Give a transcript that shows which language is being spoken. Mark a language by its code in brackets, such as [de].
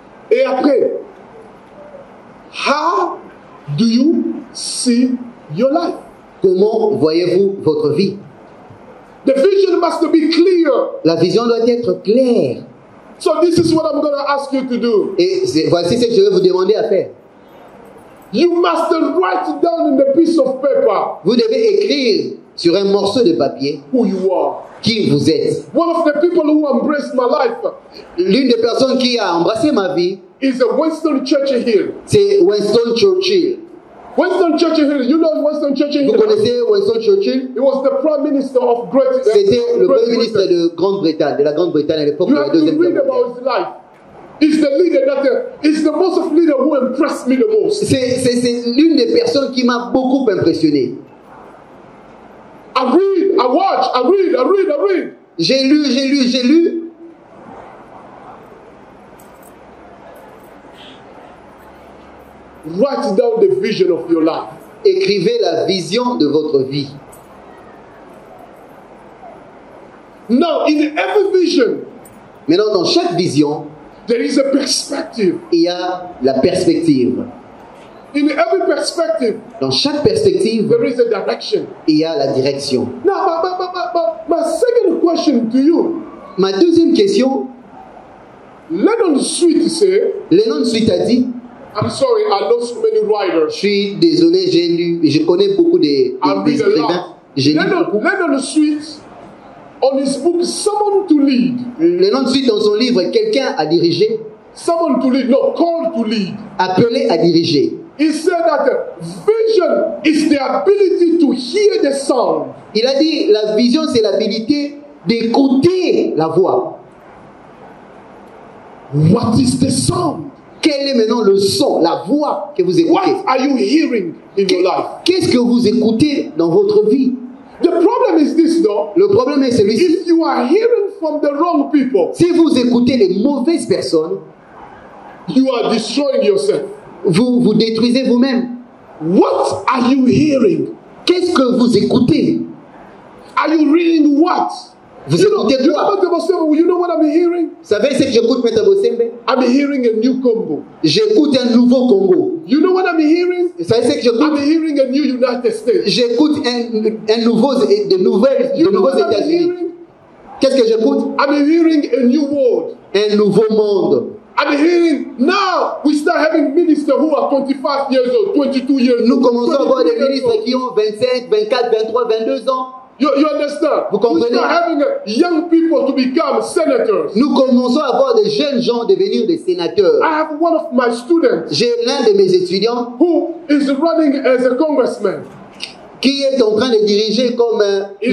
[fr] Et après. [en] How do you see your life? [fr] Comment voyez-vous votre vie? [en] The vision must be clear. [fr] La vision doit être claire. [en] So this is what I'm going to ask you to do. [fr] Et voici ce que je vais vous demander à faire. [en] You must write down in the piece of paper. [fr] Vous devez écrire sur un morceau de papier. [en] Who you are. [fr] Qui vous êtes. [en] One of the people who embraced my life. [fr] L'une des personnes qui a embrassé ma vie. [en] Is a Winston Churchill. [fr] C'est Winston Churchill. [en] Winston Churchill, you know Winston Churchill. [fr] Vous connaissez Winston Churchill? [en] He was the Prime Minister of Great. [fr] C'était le Premier ministre de Grande-Bretagne, de la Grande-Bretagne à l'époque de la deuxième guerre. [en] You have to read about his life. He's the leader that is the most of leader who impressed me the most. [fr] C'est l'une des personnes qui m'a beaucoup impressionné. [en] I read. [fr] J'ai lu. [en] Write down the vision of your life. [fr] Écrivez la vision de votre vie. [en] Now, in every vision, [fr] maintenant dans chaque vision, [en] there is a perspective. [fr] Il y a la perspective. [en] In every perspective, [fr] dans chaque perspective, [en] there is a direction. [fr] Il y a la direction. [en] Now, my second question to you. [fr] Ma deuxième question. [en] Lennon Sweet said. [fr] Lennon Sweet a dit. [en] I'm sorry, I know so many writers. [fr] Je suis désolé, j'ai lu, je connais beaucoup des écrivains. [en] Lennon Sweet, on his book, Someone to Lead. [fr] Lennon Sweet, dans son livre, quelqu'un à diriger. [en] Someone to lead, no, called to lead. [fr] Appelé à diriger. [en] He said that vision is the ability to hear the sound. [fr] Il a dit la vision c'est l'habilité d'écouter la voix. [en] What is the sound? [fr] Quel est maintenant le son, la voix que vous écoutez? [en] What are you hearing in your life? [fr] Qu'est-ce que vous écoutez dans votre vie? [en] The problem is this, though. [fr] Le problème est celui-ci. [en] If you are hearing from the wrong people, [fr] si vous écoutez les mauvaises personnes, [en] you are destroying yourself. [fr] Vous détruisez vous-même. [en] What are you hearing? [fr] Qu'est-ce que vous écoutez? [en] Are you reading what? [fr] Vous écoutez quoi? [en] You know what I'm hearing? [fr] Vous savez ce que j'écoute, Meta Bosembe? [en] I'm hearing a new Congo. [fr] J'écoute un nouveau Congo. [en] You know what I'm hearing? [fr] Vous savez ce que j'écoute? [en] I'm hearing a new United States. [fr] J'écoute un nouveau États-Unis. Qu'est-ce que j'écoute? [en] I'm hearing a new world. [fr] Un nouveau monde. [en] I'm hearing now we start having ministers who are 25 years old, 22 years old. [fr] Nous commençons à avoir des ministres qui ont 25, 24, 23, 22 ans. [en] You understand? [fr] Vous comprenez? [en] We start having young people to become senators. [fr] Nous commençons à avoir des jeunes gens devenir des sénateurs. [en] I have one of my students. [fr] J'ai l'un de mes étudiants [en] who is running as a congressman. [fr] Qui est en train de diriger comme un